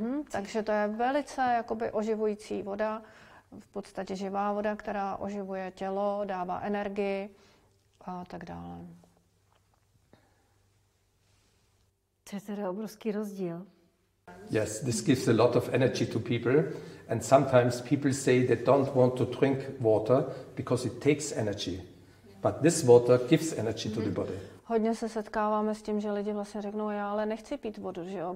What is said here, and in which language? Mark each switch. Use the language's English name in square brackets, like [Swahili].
[Czech] Takže to je velice jakoby oživující voda, v podstatě živá voda, která oživuje tělo, dává energii a tak dále. To je teda obrovský rozdíl. [English] Yes, this gives a lot of energy to people. And sometimes people say they don't want to drink water because it takes energy. But this water gives energy to the body. [Czech] Hodně se setkáváme s tím, že lidi vlastně řeknou, já ale nechci pít vodu, že jo?